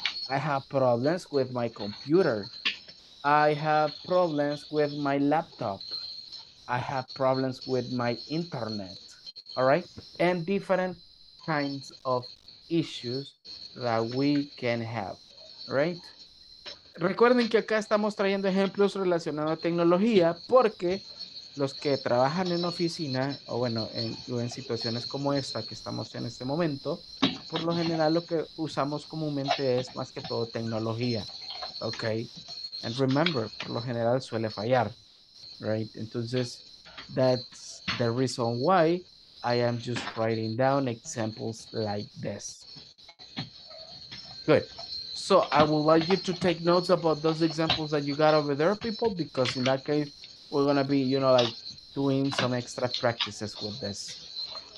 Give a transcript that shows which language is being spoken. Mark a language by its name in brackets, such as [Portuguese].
[English] I have problems with my computer. I have problems with my laptop. I have problems with my internet. All right? And different kinds of issues that we can have. Right? [Spanish] Recuerden que acá estamos trayendo ejemplos relacionados a tecnología porque los que trabajan en oficina o bueno, en situaciones como esta que estamos en este momento, por lo general lo que usamos comúnmente es más que todo tecnología, ¿ok? [English] And remember, [Spanish] por lo general suele fallar, right? [English] Entonces, that's the reason why I am just writing down examples like this. Good. So, I would like you to take notes about those examples that you got over there, people, because in that case, we're going to be, you know, like doing some extra practices with this.